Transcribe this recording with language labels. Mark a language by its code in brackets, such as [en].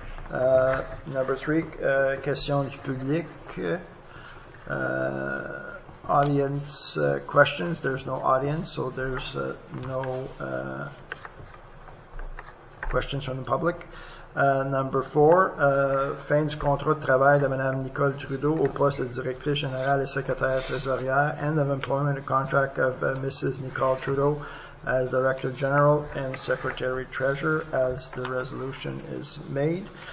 [en] Number three, [fr] question du public. [en] Audience questions. There's no audience, so there's no questions from the public. Number four, [fr] fin du contrat de travail de Mme Nicole Trudeau au poste de directrice générale et secrétaire trésorière. [en] End of employment contract of Mrs. Nicole Trudeau as Director General and Secretary Treasurer as the resolution is made.